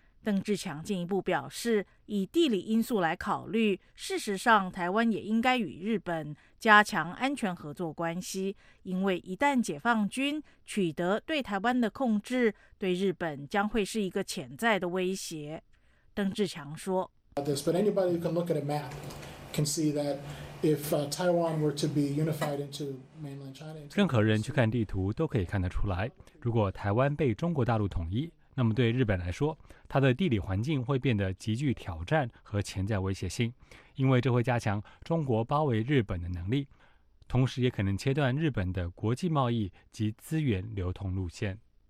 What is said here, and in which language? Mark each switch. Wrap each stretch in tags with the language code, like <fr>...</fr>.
<zh>邓志强进一步表示，以地理因素来考虑，事实上台湾也应该与日本加强安全合作关系，因为一旦解放军取得对台湾的控制，对日本将会是一个潜在的威胁。邓志强说，</zh> <en>But anybody who can look at a map can see that if Taiwan were to be unified into mainland China，</en> <zh>任何人去看地图都可以看得出来，如果台湾被中国大陆统一，那么对日本来说，它的地理环境会变得极具挑战和潜在威胁性，因为这会加强中国包围日本的能力，同时也可能切断日本的国际贸易及资源流通路线。</zh>